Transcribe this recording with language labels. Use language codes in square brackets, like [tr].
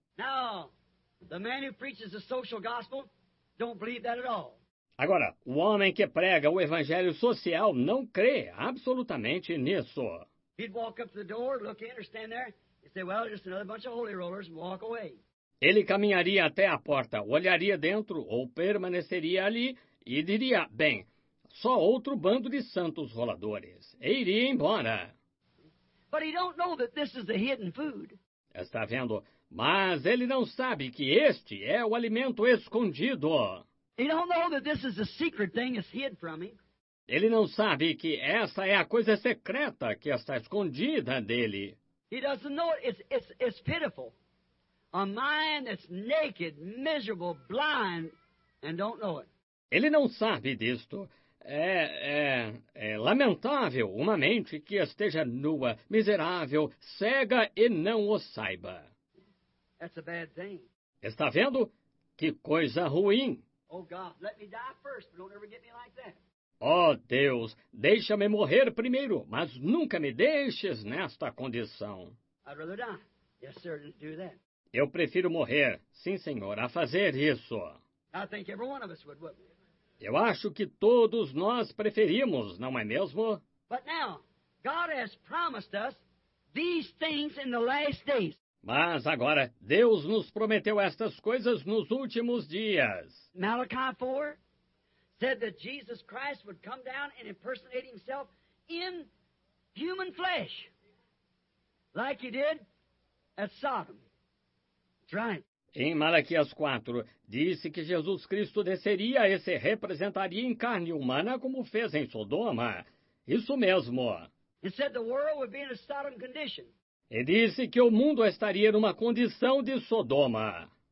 [en] Now, the man who preaches the social gospel don't believe that at all. [pt] Agora, o homem que prega o evangelho social não crê absolutamente nisso. [en] He'd walk up to the door, look in, or stand there, and say, well, just another bunch of holy rollers, and walk away. [pt] Ele caminharia até a porta, olharia dentro ou permaneceria ali e diria, bem, só outro bando de santos roladores. E iria embora. [en] But he don't know that this is the hidden food. [pt] Está vendo? Mas ele não sabe que este é o alimento escondido. [en] He don't know that this is the secret thing that's hid from him. [pt] Ele não sabe que essa é a coisa secreta que está escondida dele. [en] He doesn't know it. It's pitiful. A mind that's naked, miserable, blind, and don't know it. [pt] Ele não sabe disto. É lamentável uma mente que esteja nua, miserável, cega e não o saiba. [en] That's a bad thing. [pt] Está vendo? Que coisa ruim. [en] Oh, God, let me die first, but don't ever get me like that. [pt] Oh, Deus, deixa-me morrer primeiro, mas nunca me deixes nesta condição. [en] I'd rather die. Yes, sir, than do that. [pt] Eu prefiro morrer, sim, Senhor, a fazer isso. [en] I think every one of us would, wouldn't we? [pt] Eu acho que todos nós preferimos, não é mesmo? [en] But now, God has promised us these things in the last days. [pt] Mas agora, Deus nos prometeu estas coisas nos últimos dias. [en] Malachi 4 said that Jesus Christ would come down and impersonate himself in human flesh, like he did at Sodom. Right. [pt] Em Malaquias 4, disse que Jesus Cristo desceria e se representaria em carne humana como fez em Sodoma. Isso mesmo. [en] He said the world would be in a Sodom condition. [pt] E disse que o mundo estaria numa condição de Sodoma.